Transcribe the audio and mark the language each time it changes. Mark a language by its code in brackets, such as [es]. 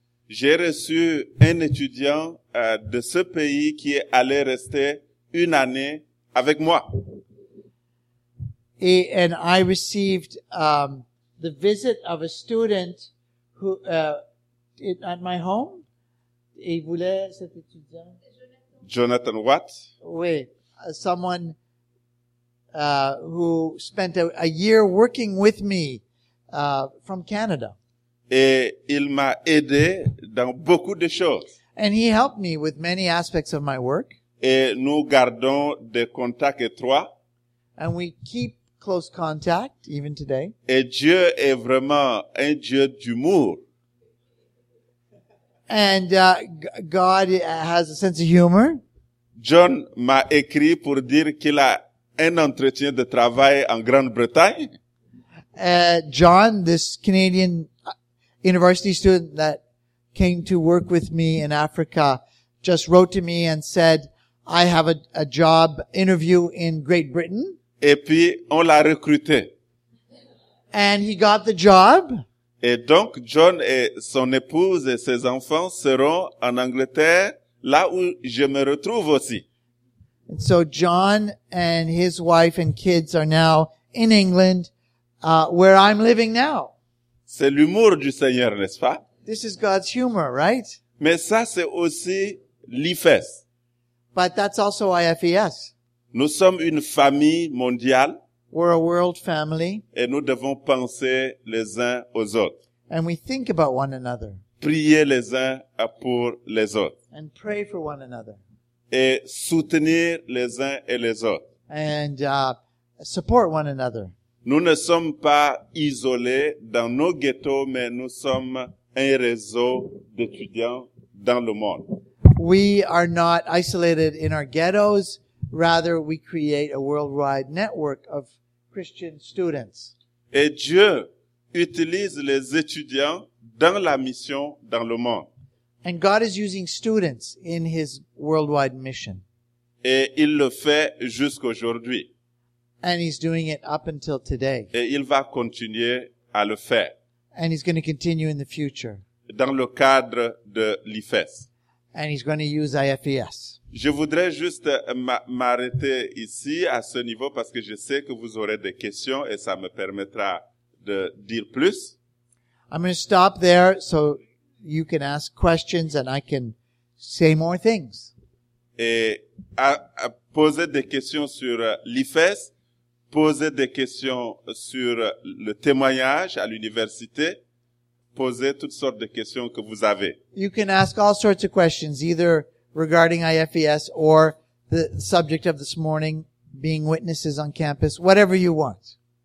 [fr] J'ai reçu un étudiant de ce pays qui est allé rester une année avec moi. [en] And I received the visit of a student who at my home. [fr] Il voulait cet étudiant. [en] Jonathan what? Oui, someone who spent a year working with me from Canada. [fr] Et il m'a aidé dans beaucoup de choses. [en] And he helped me with many aspects of my work. [fr] Et nous gardons des contacts étroits. [en] And we keep close contact even today. [fr] Et Dieu est vraiment un Dieu d'humour. [en] And God has a sense of humor. [fr] John m'a écrit pour dire qu'il a un entretien de travail en Grande-Bretagne. [en] John, this Canadian university student that came to work with me in Africa, just wrote to me and said, I have a job interview in Great Britain. [fr] Et puis, on l'a recruté. [en] And he got the job. [fr] Et donc, John et son épouse et ses enfants seront en Angleterre, là où je me retrouve aussi. [en] And so John and his wife and kids are now in England, where I'm living now. [fr] C'est l'humour du Seigneur, n'est-ce pas? [en] This is God's humor, right? [fr] Mais ça, c'est aussi l'IFES. [en] But that's also IFES. [fr] Nous sommes une famille mondiale. [en] We're a world family. [fr] Et nous devons penser les uns aux autres. [en] And we think about one another. [fr] Priez les uns pour les autres. [en] And pray for one another. [fr] Et soutenir les uns et les autres. [en] And support one another. [fr] Nous ne sommes pas isolés dans nos ghettos, mais nous sommes un réseau d'étudiants dans le monde. [en] We are not isolated in our ghettos. Rather, we create a worldwide network of Christian students. [fr] Et Dieu utilise les étudiants dans la mission dans le monde. [en] And God is using students in his worldwide mission. [fr] Et il le fait jusqu'aujourd'hui. [en] And he's doing it up until today. [fr] Et il va continuer à le faire. [en] And he's going to continue in the future. [fr] Dans le cadre de l'IFES. [en] And he's going to use IFES. [fr] Je voudrais juste m'arrêter ici à ce niveau parce que je sais que vous aurez des questions et ça me permettra de dire plus. [en] I'm going to stop there so you can ask questions and I can say more things. [fr] Et à poser des questions sur l'IFES, poser des questions sur le témoignage à l'université, poser toutes sortes de questions que vous avez. [en] You can ask all sorts of questions, either regarding IFES or the subject of this morning, being witnesses on campus, whatever you want.